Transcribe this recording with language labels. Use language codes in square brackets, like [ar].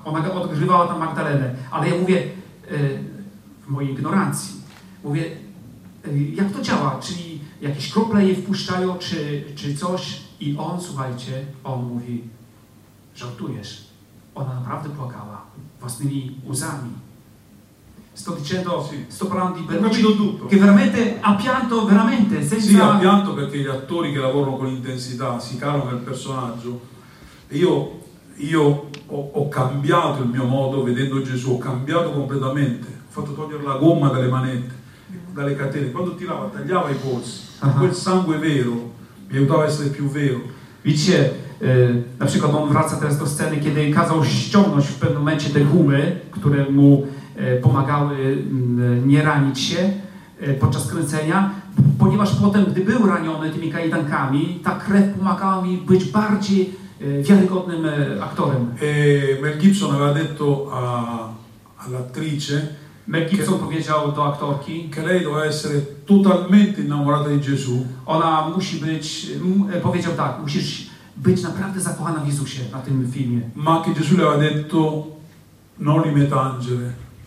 [pl] Ona odgrywała tam Magdalenę. Ale ja mówię, w mojej ignorancji, mówię, jak to działa? Czyli jakieś krople je wpuszczają, czy coś? I on, słuchajcie, on mówi, żartujesz. Ona naprawdę płakała własnymi łzami. [it] Sto dicendo, sto parlando di Bellucci, che veramente ha pianto, veramente, senza... Sì, ha pianto perché gli attori che lavorano con intensità si calano nel personaggio. Io ho cambiato il mio modo vedendo Gesù, ho cambiato completamente. Ho fatto togliere la gomma dalle manette, dalle catene. Quando tirava, tagliava i polsi. Quel sangue vero mi aiutava a essere più vero. [pl] Widzicie, na przykład on wraca teraz do sceny, kiedy kazał ściągnąć w pewnym momencie te gumy, które mu pomagały nie ranić się podczas kręcenia, ponieważ potem, gdy był raniony tymi kajdankami, ta krew pomagała mi być bardziej wiarygodnym aktorem. [it] Mel Gibson aveva detto all'attrice, [pl] Mel Gibson powiedział do aktorki, [it] che lei doveva essere totalmente innamorata di Gesù. [pl] Ona musi być, powiedział tak, musisz być naprawdę zakochana w Jezusie na tym filmie. [it] Ma che Gesù le aveva detto non li metangere.